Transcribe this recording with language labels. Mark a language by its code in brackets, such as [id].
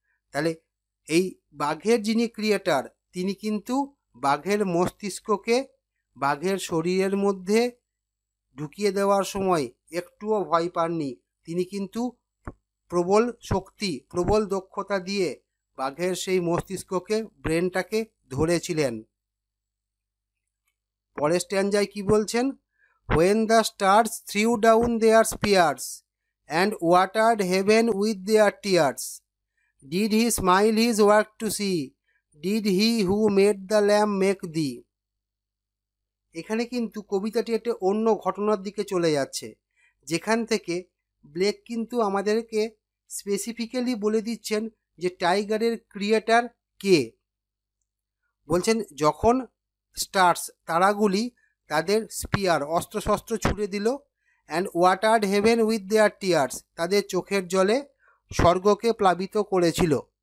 [bn] তাহলে এই বাঘের যিনি ক্রিয়েটার তিনি কিন্তু বাঘের মস্তিষ্ককে বাঘের শরীরের মধ্যে ঢুকিয়ে দেওয়ার সময় একটুও ভয় পাননি, তিনি কিন্তু প্রবল শক্তি, প্রবল দক্ষতা দিয়ে বাঘের সেই মস্তিষ্ককে, ব্রেনটাকে ধরেছিলেন। পরের স্ট্যানজায় কি বলছেন? [en] When the stars threw down their spears and watered heaven with their tears. Did he smile his work to see? Did he who made the lamb make thee? [bn] এখানে কিন্তু কবিতাটি একটা অন্য ঘটনার দিকে চলে যাচ্ছে, যেখান থেকে ব্লেক কিন্তু আমাদেরকে স্পেসিফিক্যালি বলে দিচ্ছেন যে টাইগারের ক্রিয়েটার কে। বলছেন যখন স্টার্স তারাগুলি তাদের স্পিয়ার অস্ত্রশস্ত্র ছুড়ে দিল, [en] and watered heaven with their tears, [bn] তাদের চোখের জলে স্বর্গকে প্লাবিত করেছিল।